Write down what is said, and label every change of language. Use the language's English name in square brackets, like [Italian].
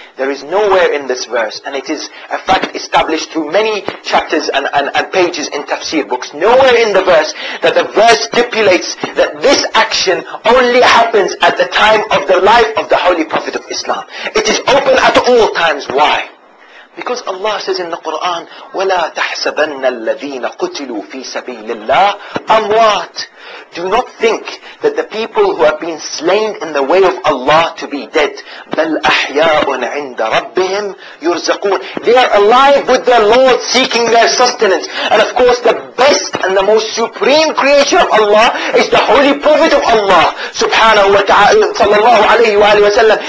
[English] There is nowhere in this verse, and it is a fact established through many chapters and pages in tafsir books, nowhere in the verse that the verse stipulates that this action only happens at the time of the life of the Holy Prophet of Islam. It is open at all times. Why? Because Allah says in the Quran, [Arabic] وَلَا تَحْسَبَنَّ الَّذِينَ قُتِلُوا فِي سَبِيلِ اللَّهِ أَمْوَاتٍ. [English] Do not think that the people who have been slain in the way of Allah to be dead. [Arabic] بَلْ أَحْيَاءٌ عِنْدَ رَبِّهِمْ يُرْزَقُونَ. [English] They are alive with their Lord, seeking their sustenance. And of course, the best and the most supreme creation of Allah is the Holy Prophet of Allah, subhanahu wa ta'ala, sallallahu alayhi wa sallam.